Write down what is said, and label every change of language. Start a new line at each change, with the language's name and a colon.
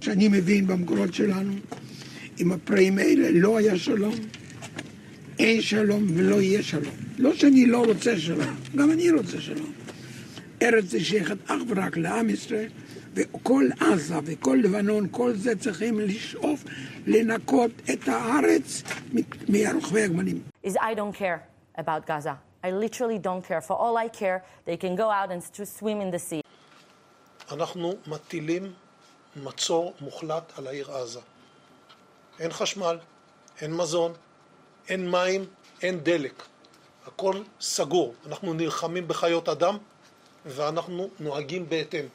Hebrew: שאני מבין במקורות שלנו, עם הפרעים האלה לא היה שלום, אין שלום ולא יהיה שלום. לא שאני לא רוצה שלום, גם אני רוצה שלום. ארץ זה שייכת אך ורק לעם ישראל, וכל עזה וכל לבנון, כל זה צריכים לשאוף לנקות את הארץ מרוכבי הגמלים.
English: Is I don't care about Gaza. I literally don't care. For all I care, they can go out and swim in the sea.
Hebrew: אנחנו מטילים מצור מוחלט על העיר עזה. אין חשמל, אין מזון, אין מים, אין דלק, הכל סגור, אנחנו נלחמים בחיות אדם ואנחנו נוהגים בהתאם.